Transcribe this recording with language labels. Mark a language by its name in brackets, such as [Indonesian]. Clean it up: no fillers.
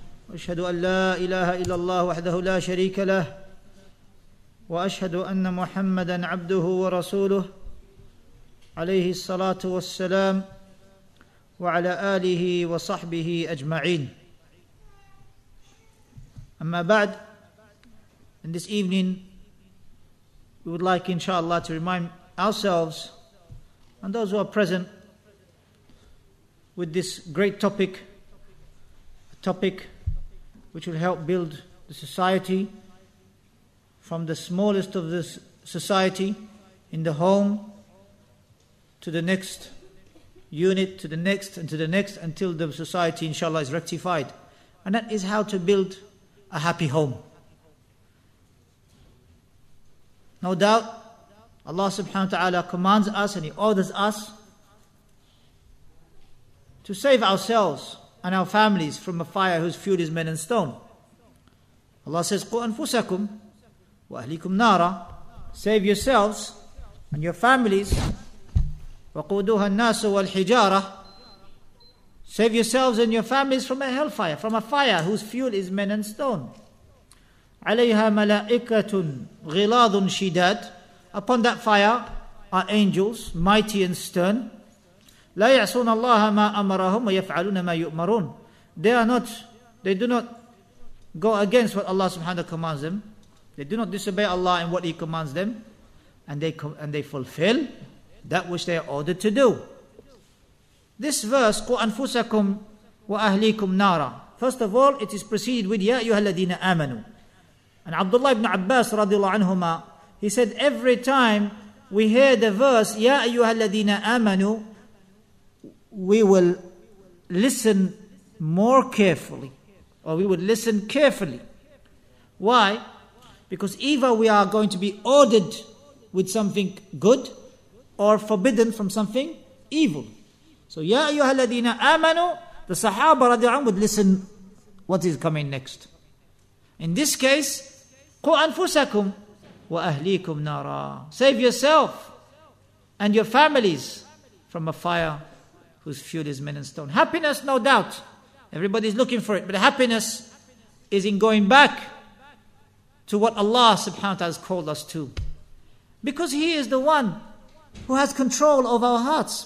[Arabic] أشهد أن لا إله إلا الله وحده لا شريك له، وأشهد أن محمدًا عبده ورسوله، عليه الصلاة والسلام، وعلى آله وصحبه أجمعين. أما بعد، [English] in this evening we would like inshallah to remind ourselves and those who are present with this great topic, a topic which will help build the society from the smallest of this society in the home to the next unit, to the next and to the next, until the society inshallah is rectified. And that is how to build a happy home. No doubt, Allah subhanahu wa ta'ala commands us and He orders us to save ourselves and our families from a fire whose fuel is men and stone. Allah says, [Arabic] قُوا أَنفُسَكُمْ وَأَهْلِكُمْ نَارًا. [English] Save yourselves and your families. [Arabic] وَقُودُهَا النَّاسُ وَالْحِجَارَةِ. [English] Save yourselves and your families from a hellfire, from a fire whose fuel is men and stone. [Arabic] عليها ملائكة غلاظ شداد. [English] Upon that fire are angels, mighty and stern. [Arabic] لا يعصون الله ما أمرهم ويفعلون ما يؤمرون. [English] They do not go against what Allah subhanahu wa ta'ala commands them. They do not disobey Allah and what He commands them, and they fulfill that which they are ordered to do. This verse, [Arabic] قُوا أنفسكم وأهليكم نارا. [English] First of all, it is preceded with [Arabic] يا أيها الذين آمنوا. [English] And Abdullah ibn Abbas radiallahu anhuma, he said, every time we hear the verse [Arabic] يَا أَيُّهَا الَّذِينَ آمَنُوا, [English] we will listen more carefully, or we would listen carefully. Why? Because either we are going to be ordered with something good or forbidden from something evil. So [Arabic] يَا أَيُّهَا الَّذِينَ آمَنُوا, [English] the Sahaba radiallahu anhuma would listen what is coming next. In this case, [Arabic] قُوا أَنفُسَكُمْ وَأَهْلِيكُمْ نَارًا. [English] Save yourself and your families from a fire whose fuel is men and stone. Happiness, no doubt. Everybody's looking for it. But happiness is in going back to what Allah subhanahu wa ta'ala has called us to. Because He is the one who has control of our hearts.